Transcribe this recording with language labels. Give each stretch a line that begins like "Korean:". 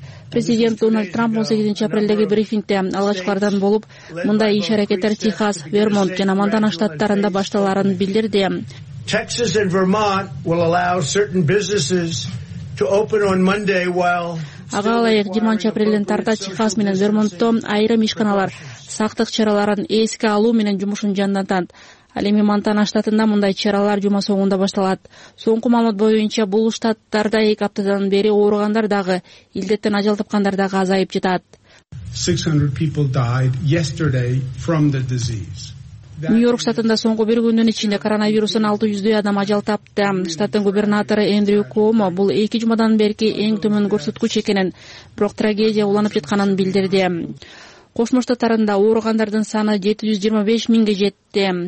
Kyrgyz: Президент Дональд Трамп 18 апрельдеги брифингте алгачкылардан болуп, мындай иш аракеттер Техас, Вермонт жана Монтана штаттарында башталарын билдирди.
English: Texas and Vermont will allow certain businesses to open on Monday while
Kyrgyz: Ага алайык 20 апрелден тарта Техас менен Вермонтто айрым ишканалар сактык чараларын эске алуу менен жумушун жандатат. Ал эми Монтана штатында мындай чаралар жума соңунда башталат. Соңку маалымат боюнча бул штаттарда 2 аптадан бери ооругандар дагы, илдеттен ажал тапкандар дагы азайып жатат.
English: 600 people died yesterday from the disease.
Kyrgyz: Нью-Йорк штатында соңку бир күндүн ичинде коронавирустан 600 адам ажал тапты. Штаттын губернатору Эндрю Куомо бул 2 жумадан берки эң төмөн көрсөткүч экенин, бирок трагедия уланып жатканын билдирди. Кошмо штаттарында ооругандардын саны 725 миңге жетти.